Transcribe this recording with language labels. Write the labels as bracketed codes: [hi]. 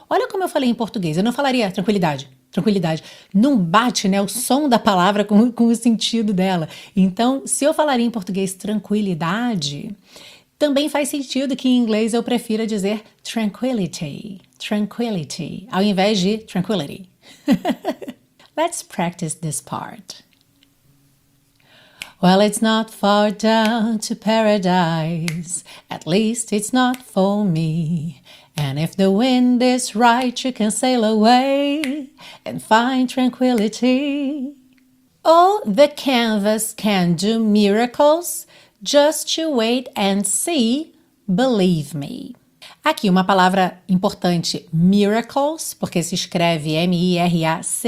[pt] Olha como eu falei em português, eu não falaria tranquilidade. Tranquilidade. Não bate, né, o som da palavra com o sentido dela. Então, se eu falaria em português tranquilidade, também faz sentido que em inglês eu prefira dizer tranquility, ao invés de tranquility. [en] Let's practice this part. Well, it's not far down to paradise, at least it's not for me. And if the wind is right, you can sail away and find tranquility. Oh, the canvas can do miracles, just you wait and see, believe me. [pt] Aqui uma palavra importante, miracles, porque se escreve M-I-R-A-C-L-E-S.